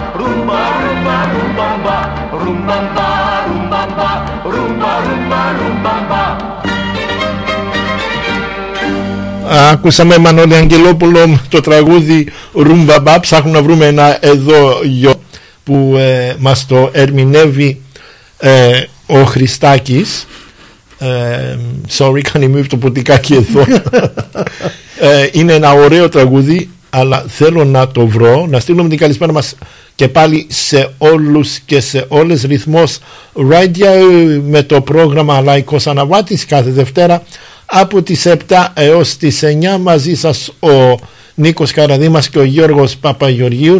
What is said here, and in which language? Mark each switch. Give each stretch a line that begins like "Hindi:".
Greek: Ρουμπα, ρουμπα, ρουμπαμπά. Ρουμπαμπά, ρουμπαμπά, ρουμπα, ρουμπα, ρουμπαμπά. Ακούσαμε Μανώλη Αγγελόπουλο το τραγούδι Ρουμπαμπά. Ψάχνουν να βρούμε ένα εδώ γιο που μας το ερμηνεύει ο Χριστάκης.
English: Sorry, can you move
Greek: το ποτικάκι εδώ. Είναι ένα ωραίο τραγούδι, αλλά θέλω να το βρω. Να στείλουμε την καλησπέρα μας και πάλι σε όλους και σε όλες. Ρυθμός Radio με το πρόγραμμα Λαϊκός Αναβάτης κάθε Δευτέρα από τις 7 έως τις 9 μαζί σας ο Νίκος Καραδήμας και ο Γιώργος Παπαγεωργίου.